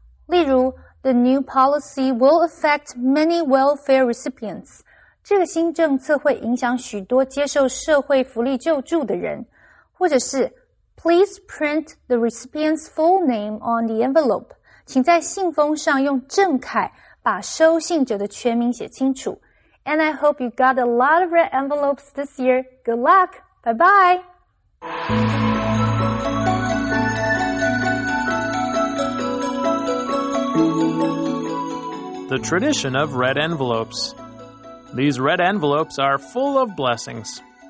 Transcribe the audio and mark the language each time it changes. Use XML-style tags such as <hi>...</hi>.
<zh>例如</zh> <en>,the new policy will affect many welfare recipients.</en> <zh>这个新政策会影响许多接受社会福利救助的人。或者是</zh> <en>,please print the recipient's full name on the envelope.</en> <zh>请在信封上用正楷把收信者的全名写清楚。</zh> <en>And I hope you got a lot of red envelopes this year. Good luck! Bye-bye! The tradition of red envelopes. These red envelopes are full of blessings.</en>